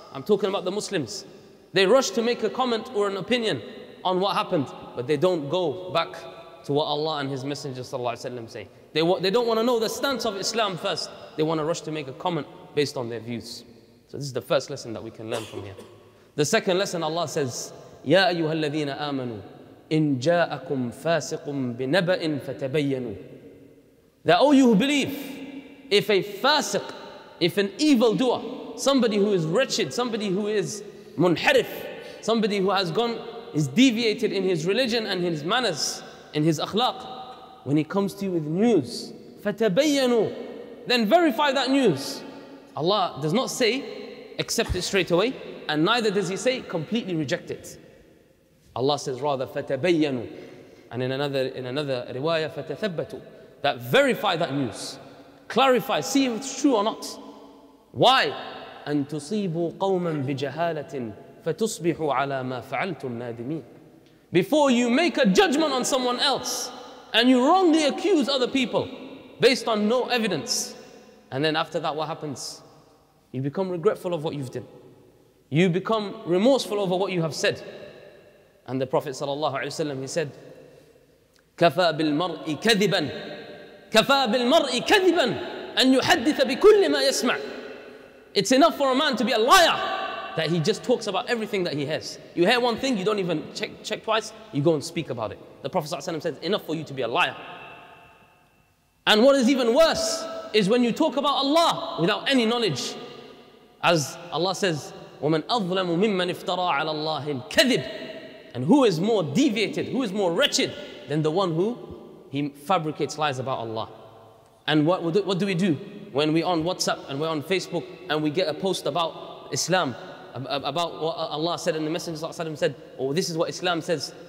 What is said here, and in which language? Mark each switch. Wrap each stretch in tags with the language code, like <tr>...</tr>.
<en>I'm talking about the Muslims. They rush to make a comment or an opinion on what happened, but they don't go back to what Allah and His Messenger sallallahu alaihi wasallam say. They don't want to know the stance of Islam first. They want to rush to make a comment based on their views. So this is the first lesson that we can learn from here. The second lesson, Allah says,</en> <ar>يَا أَيُّهَا الَّذِينَ آمَنُوا إِن جَاءَكُمْ فَاسِقٌ بِنَبَئٍ فَتَبَيَّنُوا.</ar> <en>That, oh, you who believe, if a fasiq, if an evildoer, somebody who is wretched, somebody who is munharif, somebody who has gone, is deviated in his religion and his manners, in his akhlaq, when he comes to you with news,</en> <ar>فَتَبَيَّنُوا,</ar> <en>then verify that news. Allah does not say, accept it straight away, and neither does He say, completely reject it. Allah says rather,</en> <ar>فَتَبَيَّنُوا,</ar> <en>and in another riwayah,</en> <ar>فَتَثَبَّتُوا,</ar> <en>that verify that news. Clarify, see if it's true or not. Why?</en> <ar>أَن تُصِيبُوا قَوْمًا بِجَهَالَةٍ فَتُصْبِحُوا عَلَى مَا فَعَلْتُمْ نَادِمِينَ.</ar> <en>Before you make a judgment on someone else and you wrongly accuse other people based on no evidence. And then after that, what happens? You become regretful of what you've done. You become remorseful over what you have said. And the Prophet sallallahu alaihi wasallam, he said,</en> <ar>كَفَى بِالْمَرْءِ كَذِبًا كَفَى بِالْمَرْءِ كَذِبًا أَنْ يُحَدِّثَ بِكُلِّ مَا يَسْمَعُ.</ar> <en>It's enough for a man to be a liar, that he just talks about everything that he hears. You hear one thing, you don't even check twice, you go and speak about it. The Prophet ﷺ says, enough for you to be a liar. And what is even worse is when you talk about Allah without any knowledge. As Allah says,</en> <ar>وَمَنْ أَظْلَمُ مِمَّنْ افْتَرَىٰ عَلَى اللَّهِ الْكَذِبِ.</ar> <en>And who is more deviated, who is more wretched than the one who he fabricates lies about Allah. And what do we do when we're on WhatsApp and we're on Facebook and we get a post about Islam, about what Allah said and the Messenger sallallahu alaihi wasallam said, oh, this is what Islam says.</en>